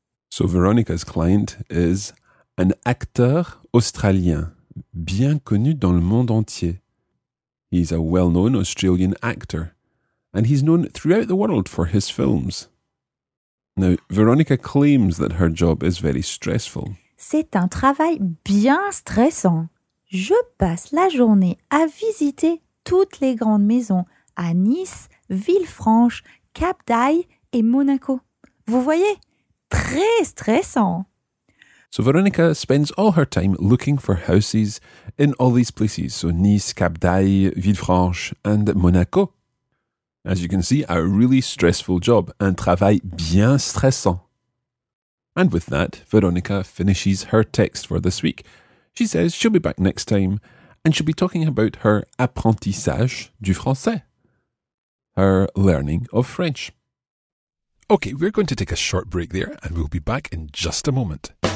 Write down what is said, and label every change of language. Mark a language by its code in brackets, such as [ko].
[en] So Veronica's client is an [fr] acteur australien bien connu dans le monde entier. [en] He's a well-known Australian actor, and he's known throughout the world for his films. Now, Veronica claims that her job is very stressful. [fr] C'est un travail bien stressant. Je passe la journée à visiter toutes les grandes maisons à Nice, Villefranche, Cap d'Ail et Monaco. Vous voyez? Très stressant! [en] So Veronica spends all her time looking for houses in all these places. So Nice, Cap d'Ail, Villefranche and Monaco. As you can see, a really stressful job. [fr] Un travail bien stressant. [en] And with that, Veronica finishes her text for this week. She says she'll be back next time and she'll be talking about her [fr] apprentissage du français. [en] Her learning of French. Okay, we're going to take a short break there and we'll be back in just a moment.